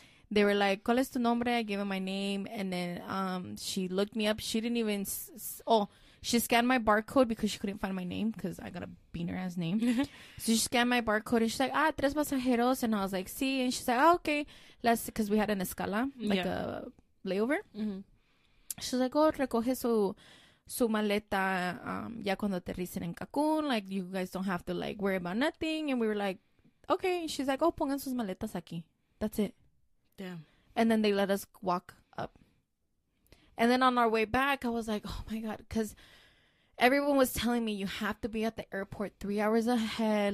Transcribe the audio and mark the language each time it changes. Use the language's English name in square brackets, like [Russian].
[English] They were like, [Spanish] ¿cuál es tu nombre? [English] I gave him my name. And then she looked me up. She didn't even... She scanned my barcode because she couldn't find my name because I got a beaner ass name. So she scanned my barcode and she's like, ah, [Spanish] tres pasajeros. [English] And I was like, [Spanish] sí. [English] And she's like, oh, okay. Because we had an escala, like a layover. Mm-hmm. She's like, oh, [Spanish] recoge su maleta ya cuando aterricen en Cancún. [English] Like, you guys don't have to, like, worry about nothing. And we were like, okay. And she's like, oh, [Spanish] pongan sus maletas aquí. [English] That's it. Damn. And then they let us walk. And then on our way back, I was like, oh, my God. Because everyone was telling me you have to be at the airport 3 hours ahead.